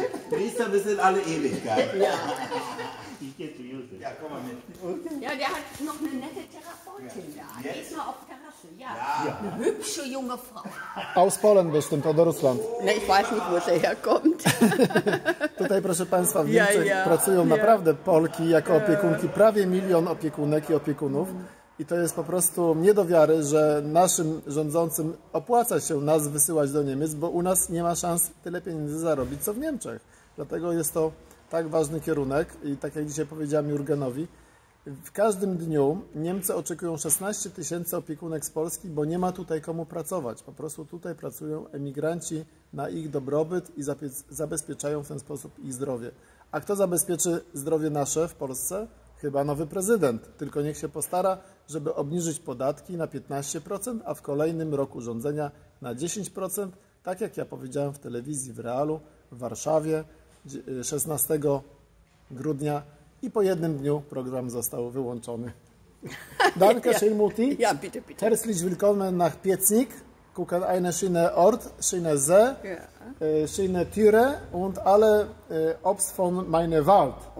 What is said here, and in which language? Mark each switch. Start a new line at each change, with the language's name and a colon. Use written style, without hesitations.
German: Priester bis in alle Ewigkeit. Ja. Ich gehe zu Josef. Ja, komm mal mit. Ja, der hat noch eine nette Therapeutin ja. da. Geht mal auf Terrasse. Ja. ja. Eine hübsche junge Frau. Aus Polen bestimmt oder Russland? Ne, ich weiß nicht, wo sie herkommt.
Polish: Tutaj, proszę Państwa, w Niemczech pracują naprawdę Polki jako opiekunki. Prawie milion opiekunek i opiekunów. I to jest po prostu nie do wiary, że naszym rządzącym opłaca się nas wysyłać do Niemiec, bo u nas nie ma szans tyle pieniędzy zarobić, co w Niemczech. Dlatego jest to tak ważny kierunek i tak jak dzisiaj powiedziałem Jurgenowi, w każdym dniu Niemcy oczekują 16 tysięcy opiekunek z Polski, bo nie ma tutaj komu pracować. Po prostu tutaj pracują emigranci na ich dobrobyt i zabezpieczają w ten sposób ich zdrowie. A kto zabezpieczy zdrowie nasze w Polsce? Chyba nowy prezydent, tylko niech się postara, żeby obniżyć podatki na 15%, a w kolejnym roku rządzenia na 10%, tak jak ja powiedziałem w telewizji, w Realu, w Warszawie 16 grudnia i po jednym dniu program został wyłączony.
German: Danke schön, Mutti. Ja, bitte, bitte. Herzlich willkommen nach Piecnik. Kuchen eine schöne Ort, schöne See, schöne Türe und alle Obst von meiner Wald.